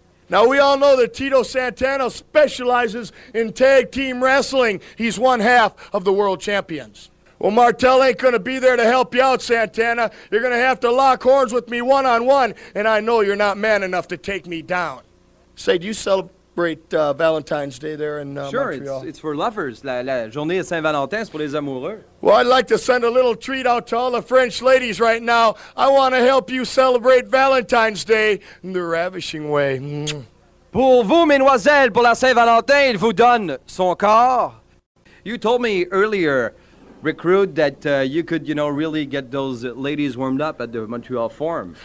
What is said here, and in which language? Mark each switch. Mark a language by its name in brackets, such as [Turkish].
[English] Now, we all know that Tito Santana specializes in tag team wrestling. He's one half of the world champions. Well, Martel ain't going to be there to help you out, Santana. You're going to have to lock horns with me one-on-one, and I know you're not man enough to take me down. Say, do you celebrate Valentine's Day there in Sure, Montreal? Sure, it's for lovers. [French] La journée de Saint-Valentin, c'est pour les amoureux. [English] Well, I'd like to send a little treat out to all the French ladies right now. I want to help you celebrate Valentine's Day in the ravishing way. [French] Pour vous, mesdemoiselles, pour la Saint-Valentin, il vous donne son corps. [English] You told me earlier, recruit that you could, you know, really get those ladies warmed up at the Montreal Forum?